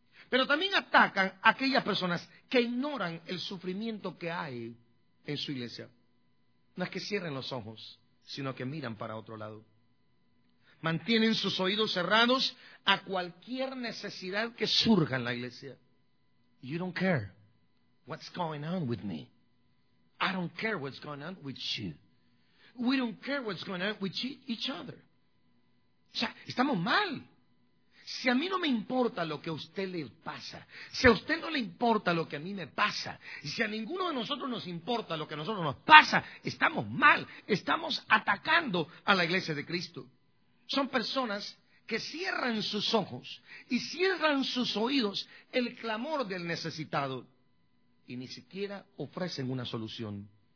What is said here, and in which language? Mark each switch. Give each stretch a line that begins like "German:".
Spanish: Pero también atacan a aquellas personas que ignoran el sufrimiento que hay en su iglesia. No es que cierren los ojos, sino que miran para otro lado. Mantienen sus oídos cerrados a cualquier necesidad que surja en la iglesia.
English: You don't care what's going on with me. I don't care what's going on with you. We don't care what's going on with each other.
Spanish: O sea, estamos mal. Si a mí no me importa lo que a usted le pasa, si a usted no le importa lo que a mí me pasa, y si a ninguno de nosotros nos importa lo que a nosotros nos pasa, estamos mal. Estamos atacando a la iglesia de Cristo. Son personas que cierran sus ojos y cierran sus oídos el clamor del necesitado y ni siquiera ofrecen una solución.